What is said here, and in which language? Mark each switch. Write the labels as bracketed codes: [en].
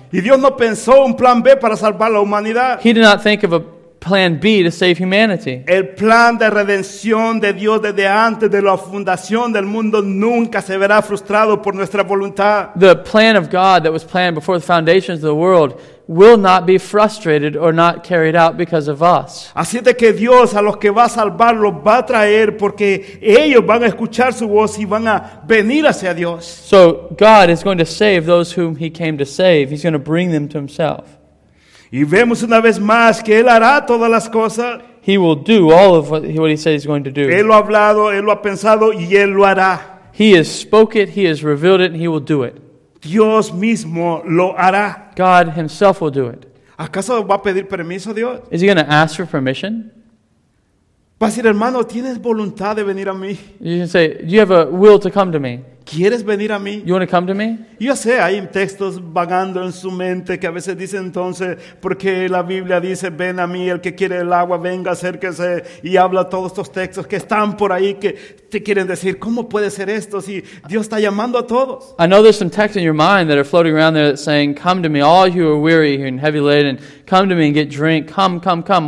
[es] Y Dios no pensó un plan B para salvar la humanidad. [en] He did not think of a plan B to save humanity. [es] El plan de redención de Dios desde antes de la fundación del mundo nunca se verá frustrado por nuestra voluntad. [en] The plan of God that was planned before the foundations of the world will not be frustrated or not carried out because of us. [es] Así de que Dios a los que va a salvar los va a traer porque ellos van a escuchar su voz y van a venir hacia Dios. [en] So God is going to save those whom he came to save. He's going to bring them to himself. [es] Y vemos una vez más que él hará todas las cosas. [en] He will do all of what he says he's going to do. [es] Él lo ha hablado, él lo ha pensado y él lo hará. [en] He has spoken it, he has revealed it, and he will do it. [es] Dios mismo lo hará. [en] God himself will do it. [es] ¿Acaso va a pedir permiso, Dios? [en] Is he going to ask for permission? [es] Va a decir, hermano, ¿tienes voluntad de venir a mí? [en] You can say, do you have a will to come to me? [es] ¿Quieres venir a mí? [en] You want to come to me? [es] Yo sé, hay textos vagando en su mente que a veces dice entonces, porque la Biblia dice, ven a mí, el que quiere el agua, venga, acérquese, y habla todos estos textos que están por ahí que te quieren decir, ¿cómo puede ser esto si Dios está llamando a todos? [en] I know there's some texts in your mind that are floating around there that's saying, come to me, all you are weary and heavy laden, come to me and get drink, come, come, come.